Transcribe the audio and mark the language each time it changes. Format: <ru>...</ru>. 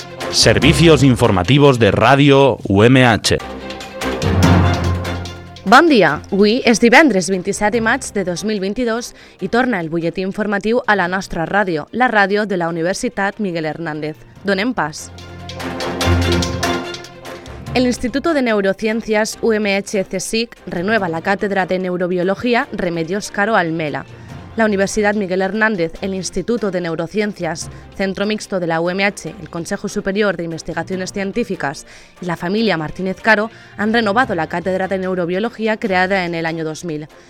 <es>Servicios informativos de Radio UMH.</es> <ca>Bon dia. Avui és divendres 27 de maig de 2022 i torna el butlletí informatiu a la nostra ràdio, la ràdio de la Universitat Miguel Hernández. Donem pas.</ca> <es>El Instituto de Neurociencias UMH-CSIC renueva la Cátedra de Neurobiología Remedios Caro Almela. La Universidad Miguel Hernández, el Instituto de Neurociencias, Centro Mixto de la UMH, el Consejo Superior de Investigaciones Científicas y la familia Martínez Caro han renovado la Cátedra de Neurobiología creada en el año 2000.</es>